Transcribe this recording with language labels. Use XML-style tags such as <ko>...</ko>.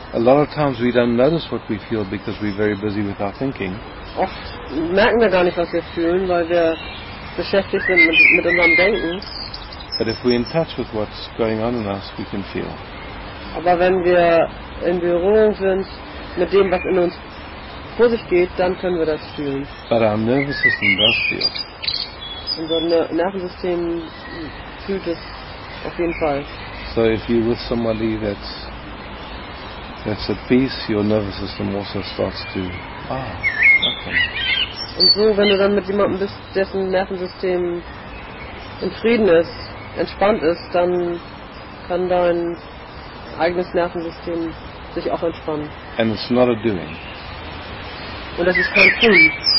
<en>A lot of times we don't notice what we feel because we're very busy with our thinking.</en> <de>Oft merken wir gar nicht, was wir fühlen, weil wir beschäftigt sind mit unserem Denken.</de> <en>But if we're in touch with what's going on in us, we can feel.</en> <de>Aber wenn wir in Berührung sind mit dem, was in uns vor sich geht, dann können wir das fühlen.</de> <en>But our nervous system does feel.</en> <de>Unser Nervensystem fühlt es auf jeden Fall.</de> <en>So if you're with somebody that's at peace, your nervous system also starts to okay.</en> <de>Und so, wenn du dann mit jemandem bist, dessen Nervensystem in Frieden ist, entspannt ist, dann kann dein eigenes Nervensystem sich auch entspannen.</de> <en>And it's not a doing.</en> <de>Und das ist kein Tun.</de>